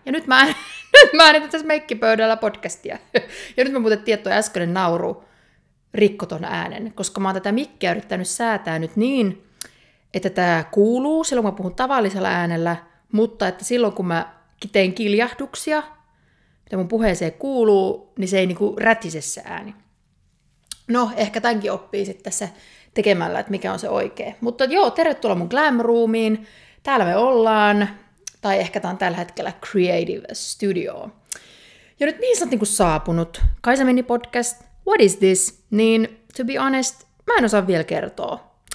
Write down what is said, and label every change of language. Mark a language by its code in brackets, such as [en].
[fi] Ja nyt mä äänitän tässä meikkipöydällä podcastia. Ja nyt mä muuten tietoin äskeinen nauru rikko ton äänen, koska mä oon tätä mikkiä yrittänyt säätää nyt niin, että tää kuuluu silloin, kun mä puhun tavallisella äänellä, mutta että silloin, kun mä teen kiljahduksia, mitä mun puheeseen kuuluu, niin se ei niinku rätise se ääni. No, ehkä tämänkin oppii sitten tässä tekemällä, että mikä on se oikea. Mutta joo, tervetuloa mun glam roomiin. Täällä me ollaan, tai ehkä tää on tällä hetkellä creative studio. Ja nyt mihin sä oot niinku saapunut? [en] Kaisa Minni podcast, what is this? [fi] Niin, [en] to be honest, [fi] mä en osaa vielä kertoa.